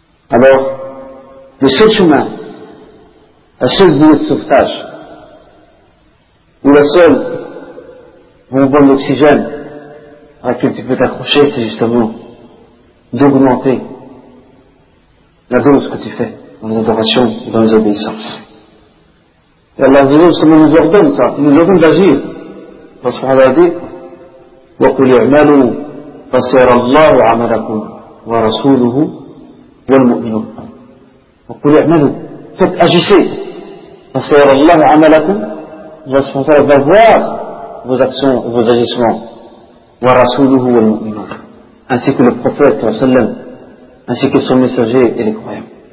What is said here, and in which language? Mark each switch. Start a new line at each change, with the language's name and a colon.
French: Alors, le seul chemin, la seule voie de sauvetage, ou la seule bonbon d'oxygène à laquelle tu peux t'accrocher, c'est justement d'augmenter la dose que tu fais dans les adorations et dans les obéissances. Et Allah justement nous ordonne ça, il nous ordonne d'agir. Parce qu'on a dit,
Arabic: وَقُلْ اِعْمَلُوا فَسَيَرَ اللَّهُ عَمَلَكُمْ وَرَسُولُهُ وَالْمُؤْمِنُونَ. وَقُلْ اِعْمَلُوا,
French: faites agissez,
Arabic: فَسَيَرَ اللَّهُ عَمَلَكُمْ,
French: responsable va voir vos actions, vos agissements,
Arabic: wa rasuluhu wal mu'minun,
French: ainsi que le prophète, ainsi que son messager et les croyants.